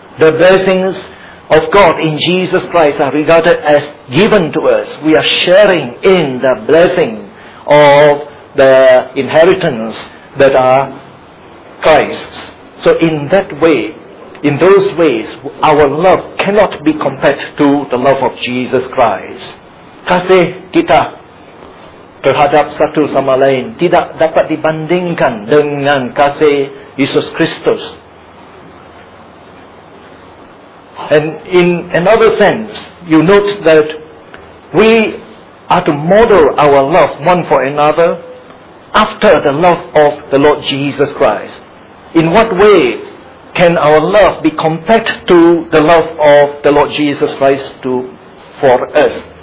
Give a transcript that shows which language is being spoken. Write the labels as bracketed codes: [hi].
[en] The blessings of God in Jesus Christ are regarded as given to us. We are sharing in the blessing of the inheritance that are Christ's. So in that way, in those ways, our love cannot be compared to the love of Jesus Christ. [id] Kasih kita terhadap satu sama lain tidak dapat dibandingkan dengan kasih Yesus Kristus. [en] And in another sense, you note that we are to model our love one for another after the love of the Lord Jesus Christ. In what way can our love be compared to the love of the Lord Jesus Christ for us?